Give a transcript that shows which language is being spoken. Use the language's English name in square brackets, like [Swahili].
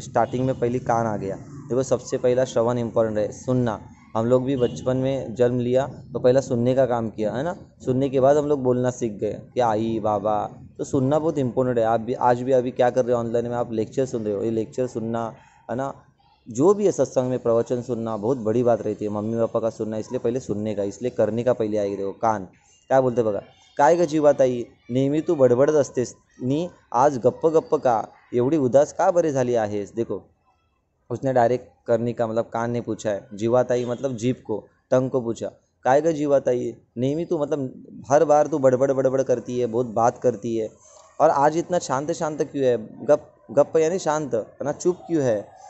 [Hindi] अभी स्टार्टिंग में पहली कान आ गया, देखो सबसे पहला श्रवण इम्पॉर्टेंट है, सुनना, हम लोग भी बचपन में जन्म लिया तो पहला सुनने का काम किया है ना, सुनने के बाद हम लोग बोलना सीख गए कि आई बाबा, तो सुनना बहुत इम्पोर्टेंट है। आप भी आज भी अभी क्या कर रहे हो, ऑनलाइन में आप लेक्चर सुन रहे हो, ये लेक्चर सुनना है ना, जो भी है सत्संग में प्रवचन सुनना बहुत बड़ी बात रहती है, मम्मी पापा का सुनना, इसलिए पहले सुनने का, इसलिए करने का पहले आएगी। [Marathi] देखो कान क्या बोलते बघा, काय का जी बात आई, नेहमी तू बडबडत असतेस, नी आज गप्प गप्प का, एवढी उदास का बरे झाली आहेस। [Hindi] देखो उसने डायरेक्ट करने का मतलब कान ने पूछा है, जीवाताई मतलब जीभ को, टंग को पूछा, [Marathi] काय का जीवाताई, नेहमी तू [Hindi] मतलब हर बार तू बड़बड़ बड़बड़ करती है, बहुत बात करती है, और आज इतना शांत शांत क्यों है, गप गप यानी शांत है ना, चुप क्यों है।